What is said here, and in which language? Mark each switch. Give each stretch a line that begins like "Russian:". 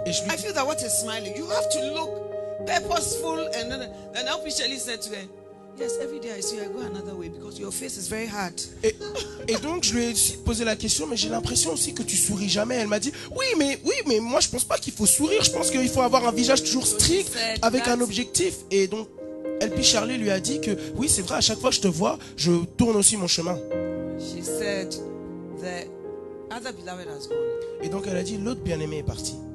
English: I feel that what is smiling. You have to look purposeful. And then officially said to her, yes, every day I see you, I go another way because your face is very hard.
French: Et donc je lui ai posé la question, mais j'ai l'impression aussi que tu souris jamais. Elle m'a dit, oui, mais moi je pense pas qu'il faut sourire. Je pense qu'il faut avoir un visage toujours strict avec un objectif. Et donc LP Charlie lui a dit que oui, c'est vrai. À chaque fois que je te vois, je tourne aussi mon chemin.
English: She said the other beloved has gone.
French: Et donc elle a dit, l'autre bien-aimé est parti.